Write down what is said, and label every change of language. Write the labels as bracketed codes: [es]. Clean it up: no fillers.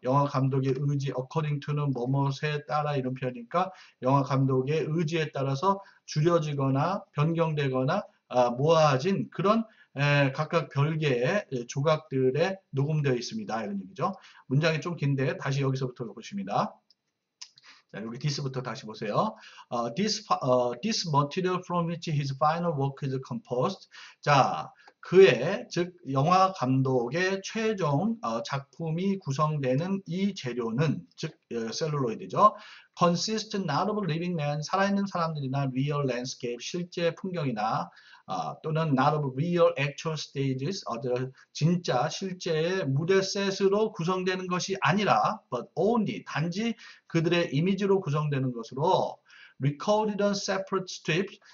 [ko] 영화 감독의 의지 [en] according to [ko] 는 뭐뭐에 따라 이런 표현이니까 영화 감독의 의지에 따라서 줄여지거나 변경되거나 모아진 그런 각각 별개의 조각들에 녹음되어 있습니다. 이런 얘기죠. 문장이 좀 긴데 다시 여기서부터 보십니다. 자, 여기 this부터 다시 보세요. [en] This material from which his final work is composed. [ko] 자, 그의 즉 영화 감독의 최종 작품이 구성되는 이 재료는 즉 셀룰로이드죠. [en] Consists not of living man [ko] 살아있는 사람들이나 [en] real landscape [ko] 실제 풍경이나 또는 [en] not of real actual stages [ko] 진짜 실제의 무대 셋으로 구성되는 것이 아니라 [en] but only [ko] 단지 그들의 이미지로 구성되는 것으로 [en] Recorded on separate strips.